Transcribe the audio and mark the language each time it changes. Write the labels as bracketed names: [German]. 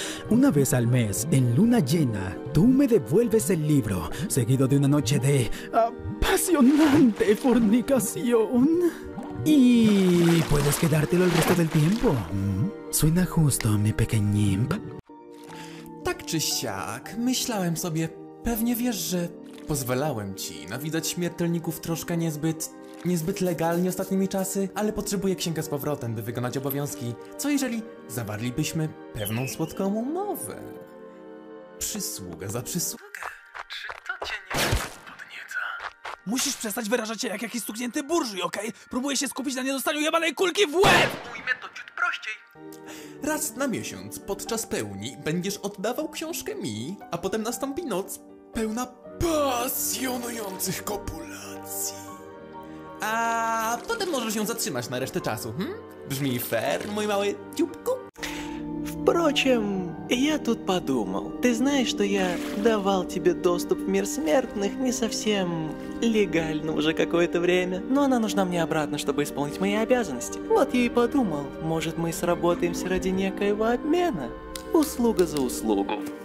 [Spanish] Una vez al mes, en luna llena, tú me devuelves el libro, seguido de una noche de apasionante fornicación. Y puedes quedártelo el resto del tiempo. Suena justo, mi pequeñín. [Polish] Tak czy siak, myślałem sobie, pewnie wiesz, że pozwalałem ci nawidzać śmiertelników troszkę niezbyt legalnie ostatnimi czasy, ale potrzebuję księgę z powrotem, by wykonać obowiązki. Co jeżeli zawarlibyśmy pewną słodką umowę? Przysługa za przysługę. Czy to cię nie podnieca? Musisz przestać wyrażać się jak jakiś stuknięty burżuj, okej? Okay? Próbuję się skupić na niedostaniu jebanej kulki w łeb! Ujmę to ciut prościej. Raz na miesiąc, podczas pełni, będziesz oddawał książkę mi, a potem nastąpi noc pełna pasjonujących kopulacji. A potem możesz ją zatrzymać na resztę czasu, hm? Brzmi fair, mój mały ciupku? [Russian] Впрочем, я тут подумал. Ты знаешь, что я давал тебе доступ в мир смертных не совсем легально уже какое-то время. Но она нужна мне обратно, чтобы исполнить мои обязанности. Вот я и подумал, может мы сработаемся ради некоего обмена. Услуга за услугу.